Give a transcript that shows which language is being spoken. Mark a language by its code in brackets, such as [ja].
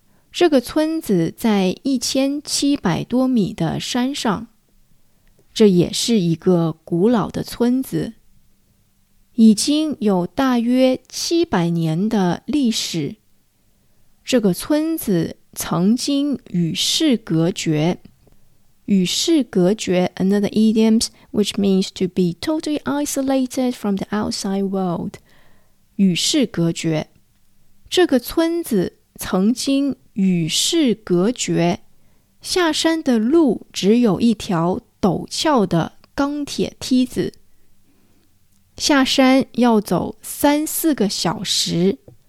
[zh] 这个村子在1700多米的山上，这也是一个古老的村子，已经有大约700年的历史。这个村子曾经与世隔绝。与世隔绝 [en] another idiom which means to be totally isolated from the outside world. [zh] 与世隔绝。这个村子曾经与世隔绝。下山的路只有一条陡峭的钢铁梯子。下山要走3-4个小时。